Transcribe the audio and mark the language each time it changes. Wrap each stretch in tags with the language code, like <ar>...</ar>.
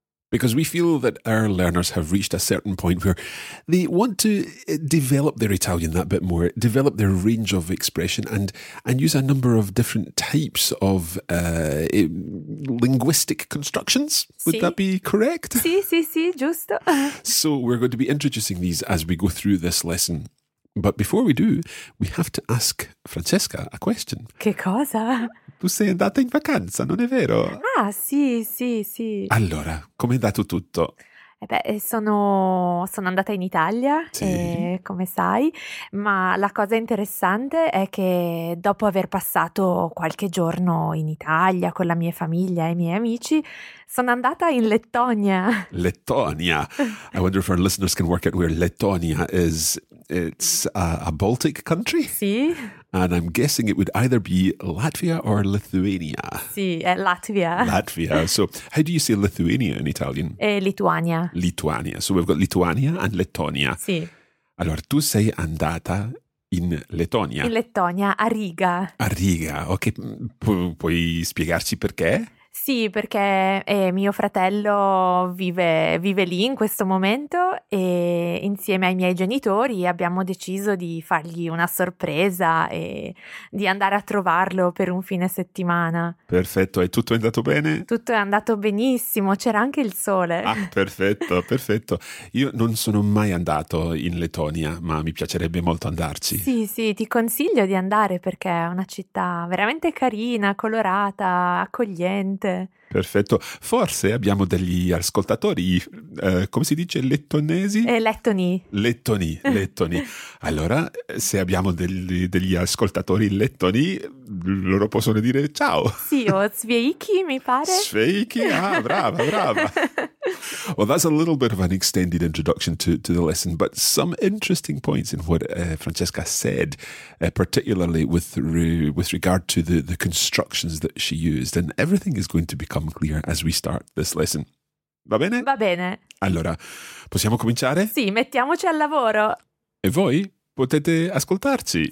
<en>Because we feel that our learners have reached a certain point where they want to develop their Italian that bit more, develop their range of expression and use a number of different types of linguistic constructions. Would</en> <it>sì.</it> <en>That be correct?</en> <it>Sì, sì, sì, giusto.</it> <en>So we're going to be introducing these as we go through this lesson. But before we do, we have to ask Francesca a question.</en> <it>Che cosa? Tu sei andata in vacanza, non è vero? Ah, sì, sì, sì. Allora, com'è andato tutto? Eh beh, sono andata in Italia, sì. E come sai, ma la cosa interessante è che dopo aver passato qualche giorno in Italia con la mia famiglia e i miei amici, sono andata in Lettonia.</it> <en>Lettonia. I wonder if our listeners can work out where Lettonia is. It's a Baltic country?</en> <it>Sì.</it> <en>And I'm guessing it would either be Latvia or Lithuania.</en> <it>Sì, è Latvia.</it> <en>Latvia. So, how do you say Lithuania in Italian?</en> <it>È Lituania. Lituania.</it> <en>So, we've got Lituania and Lettonia.</en> <it>Sì. Allora, tu sei andata in Lettonia. In Lettonia, a Riga. A Riga. Ok, puoi spiegarci perché? Sì, perché mio fratello vive lì in questo momento e insieme ai miei genitori abbiamo deciso di fargli una sorpresa e di andare a trovarlo per un fine settimana. Perfetto, e tutto è andato bene? Tutto è andato benissimo, c'era anche il sole. Ah, perfetto, perfetto. Io non sono mai andato in Lettonia, ma mi piacerebbe molto andarci. Sì, sì, ti consiglio di andare perché è una città veramente carina, colorata, accogliente. Perfetto, forse abbiamo degli ascoltatori, come si dice, lettonesi? Lettoni. Lettoni, lettoni. Allora, se abbiamo degli ascoltatori lettoni, loro possono dire ciao. Sì, o sveiki, mi pare. Sveiki, ah, brava, brava.</it> <en>Well, that's a little bit of an extended introduction to the lesson, but some interesting points in what Francesca said, particularly with regard to the constructions that she used, and everything is going to become clear as we start this lesson.</en> <it>Va bene? Va bene. Allora, possiamo cominciare? Sì, mettiamoci al lavoro. E voi potete ascoltarci?</it>